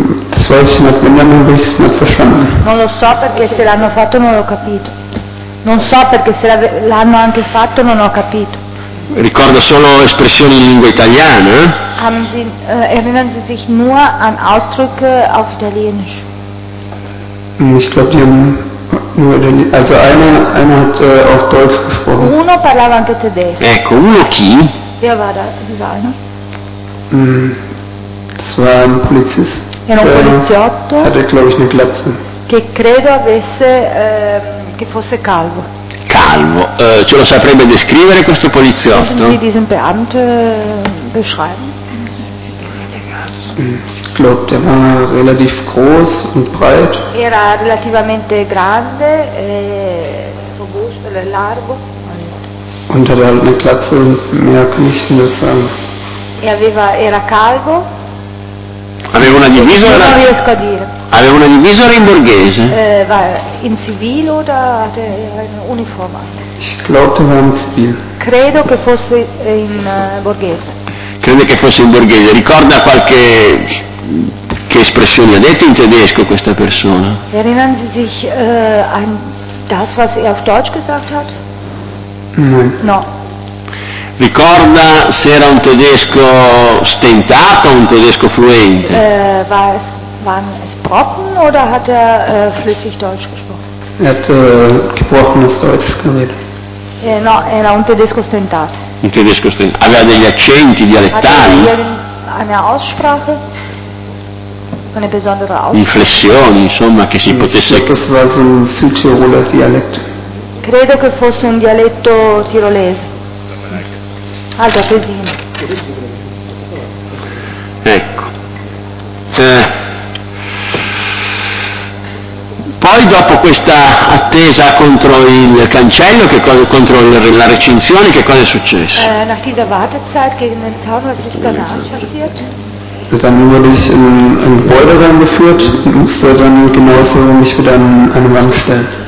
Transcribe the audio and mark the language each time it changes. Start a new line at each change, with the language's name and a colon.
German: Das weiß ich nicht, wenn dann habe ich es nicht verstanden.
Italian: Non lo so perché se l'hanno fatto non l'ho capito. Non so perché se l'hanno anche fatto non ho capito. Ricorda solo espressioni in lingua italiana?
German: Haben Sie, erinnern Sie sich nur an Ausdrücke auf Italienisch? Ich glaube, die haben nur Italienisch. Also einer hat auch Deutsch gesprochen.
Italian: Uno parlava anche tedesco. Ecco, uno chi?
German: Wer war da, dieser eine? Das war ein Polizist.
Italian: Era un poliziotto.
German: Hatte, glaube ich, eine Glatze.
Italian: Che credo avesse, che fosse calvo. Calvo. Ce lo saprebbe descrivere questo poliziotto?
German: Können Sie diesen Beamten beschreiben? Ich glaube, der war relativ groß und breit.
Italian: Era relativamente grande e robusto, largo.
German: Und hatte halt eine Glatze und mehr kann ich nicht sagen.
Italian: E aveva, era calvo. Aveva una divisa, non riesco a dire. Aveva una divisa in borghese. In civile o da uniforme?
German: Ich glaube,
Italian: in civile. Credo che fosse in borghese. Che crede che fosse in borghese. Ricorda qualche che espressione ha detto in tedesco questa persona?
German: Erinnern Sie sich an das, was er auf Deutsch gesagt hat?
Italian: No. Ricorda se era un tedesco stentato o un tedesco fluente?
German: Waren es Brocken oder hat er flüssig Deutsch gesprochen? Gebrochenes Deutsch geredet.
Italian: No, era un tedesco stentato. Un tedesco stentato. Aveva degli accenti dialettali?
German: Eine Aussprache, eine besondere Aussprache.
Italian: Inflessioni, insomma, che si potesse.
German: Das war so ein Südtiroler Dialekt.
Italian: Credo che fosse un dialetto tirolese. Alto Tesino. Ecco. Poi dopo questa attesa contro il cancello, che contro la recinzione, che cosa è successo?
German: Nach dieser Wartezeit gegen den Zaun, was ist danach passiert? Dann wurde ich in ein Gebäude reingeführt und musste dann genauso mich wieder an eine Wand stellen.